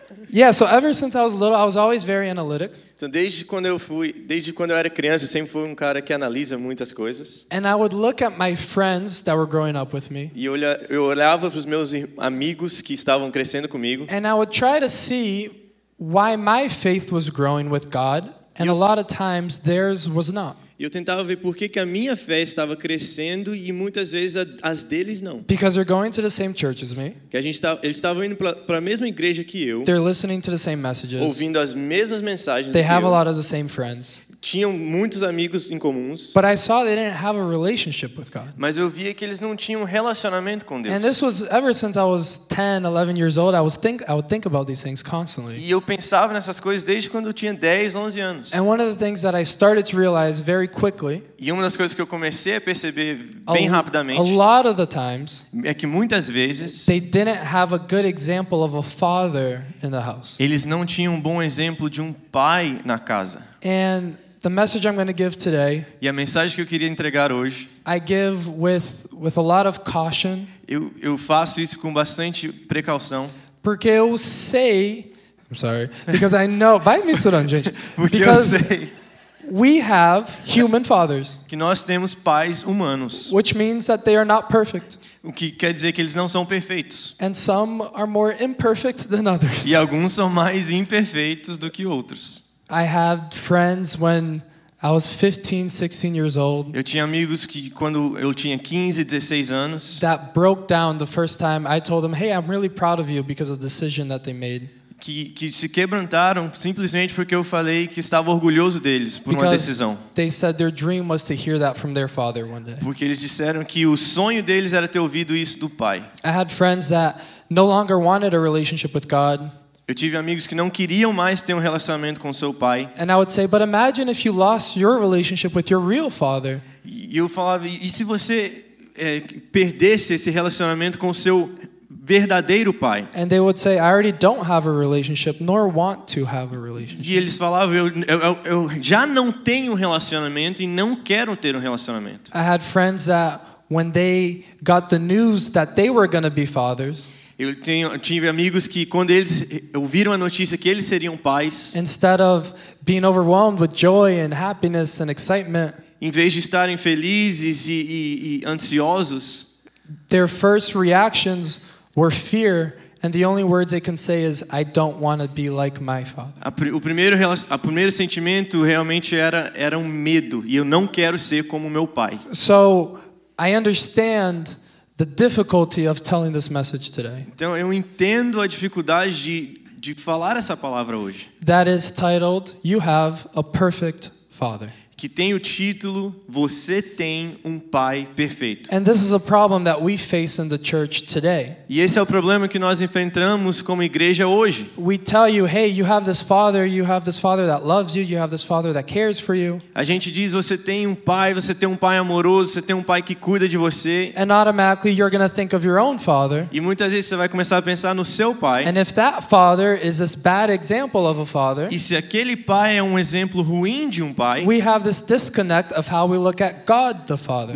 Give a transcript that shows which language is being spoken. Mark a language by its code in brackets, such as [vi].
[en] Yeah, so ever since I was little, I was always very analytic. [pt] Então, desde quando eu era criança, eu sempre fui um cara que analisa muitas coisas. [en] And I would look at my friends that were growing up with me. [pt] E eu olhava para os meus amigos que estavam crescendo comigo. [en] And I would try to see why my faith was growing with God, and a lot of times theirs was not. [pt] Eu tentava ver por que a minha fé estava crescendo e muitas vezes as deles não. [en] Because they're going to the same church as me. [pt] Que eles estavam indo para a mesma igreja que eu. [en] They're listening to the same messages. [pt] Ouvindo as mesmas mensagens. [en] They have a lot of the same friends. [pt] Tinham muitos amigos em comuns. [en] But I saw they didn't have a relationship with God. [pt] Mas eu via que eles não tinham relacionamento com Deus. [en] And this was ever since I was 10, 11 years old, I would think about these things constantly. [pt] E eu pensava nessas coisas desde quando eu tinha 10, 11 anos. [en] And one of the things that I started to realize very quickly. [pt] E uma das coisas que eu comecei a perceber bem rapidamente. [en] A lot of the times. [pt] É que muitas vezes. [en] They didn't have a good example of a father in the house. [pt] Eles não tinham um bom exemplo de um pai na casa. [en] And the message I'm going to give today, [pt] e a mensagem que eu queria entregar hoje, [en] I give with a lot of caution. [pt] Eu faço isso com bastante precaução. Porque eu sei, [en] I'm sorry, because I know, [pt] vai misturando, gente. Porque [en] because [pt] eu sei. [en] We have human fathers. [pt] Que nós temos pais humanos. [en] Which means that they are not perfect. [pt] O que quer dizer que eles não são perfeitos. [en] And some are more imperfect than others. [pt] E alguns são mais imperfeitos do que outros. [en] I had friends when I was 15, 16 years old. [pt] Eu tinha amigos que quando eu tinha 15, 16 anos. [en] That broke down the first time I told them, "Hey, I'm really proud of you because of the decision that they made." [pt] Que se quebrantaram simplesmente porque eu falei que estava orgulhoso deles por [en] because [pt] uma decisão. [en] They said their dream was to hear that from their father one day. [pt] Porque eles disseram que o sonho deles era ter ouvido isso do pai. [en] I had friends that no longer wanted a relationship with God. [pt] Eu tive amigos que não queriam mais ter um relacionamento com seu pai. [en] And I would say, but imagine if you lost your relationship with your real father. [pt] E eu falava, e se você perdesse esse relacionamento com seu verdadeiro pai? [en] And they would say, I already don't have a relationship, nor want to have a relationship. [pt] E eles falavam, eu já não tenho um relacionamento e não quero ter um relacionamento. [en] I had friends that when they got the news that they were going to be fathers, [pt] eu tive amigos que quando eles ouviram a notícia que eles seriam pais, [en] instead of being overwhelmed with joy and happiness and excitement, [pt] em vez de estarem felizes e ansiosos, [en] their first reactions were fear, and the only words they can say is, I don't want to be like my father. [pt] O primeiro sentimento realmente era um medo, e eu não quero ser como meu pai. [en] So I understand the difficulty of telling this message today. [pt] Então eu entendo a dificuldade de falar essa palavra hoje. [en] That is titled "You Have a Perfect Father." [pt] Que tem o título "Você tem pai perfeito." [en] And this is a problem that we face in the church today. [pt] E esse é o problema que nós enfrentamos como igreja hoje. [en] We tell you, "Hey, you have this father that loves you, you have this father that cares for you." [pt] A gente diz, você tem pai amoroso, você tem pai que cuida de você. [en] And automatically you're going to think of your own father. [pt] E muitas vezes você vai começar a pensar no seu pai. [en] And if that father is this bad example of a father, [pt] e se aquele pai é exemplo ruim de pai, [en] we have this disconnect of how we look at God the Father.